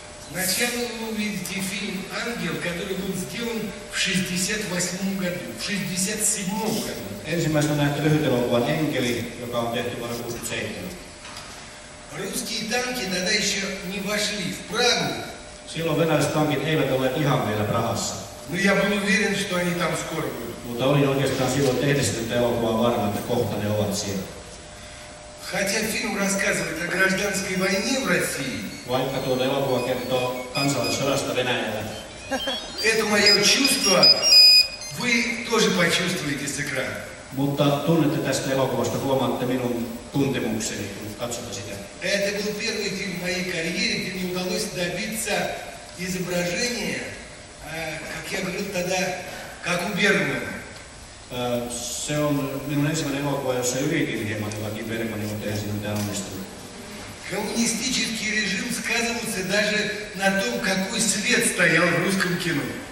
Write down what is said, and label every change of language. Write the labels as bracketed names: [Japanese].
[Russian] Сначала вы увидите фильм «Ангел», который был сделан в 1968 году. Русские танки тогда еще не вошли в Прагу. [Finnish] Silloin venäläiset tankit eivät olleet ihan vielä Prahassa. [Russian] Ну я был уверен, что они там скоро будут. [Finnish] Mutta olin oikeastaan silloin tehdessä tätä elokuvaa varma, että kohta ne ovat siellä. [Russian] Хотя фильм рассказывает о гражданской войне в России. [Finnish] Vaikka tuota elokuva kertoo kansalaisodasta Venäjällä. [Russian] Это мое чувство вы тоже почувствуете с экрана. [Finnish] Mutta tunnette tästä elokuvasta, huomaatte minun tuntemukseni, kun katsotte sitä. [Russian] Это был первый фильм в моей карьере, где мне удалось добиться изображения, как я говорил тогда, как у Бергмана. [Finnish] Se on minun ensimmäinen elokuva, jossa yritin hieman jollakin Бергманin, mutta eihän siinä mitään onnistunut. [Russian] Коммунистический режим сказывался даже на том, какой свет стоял в русском кино.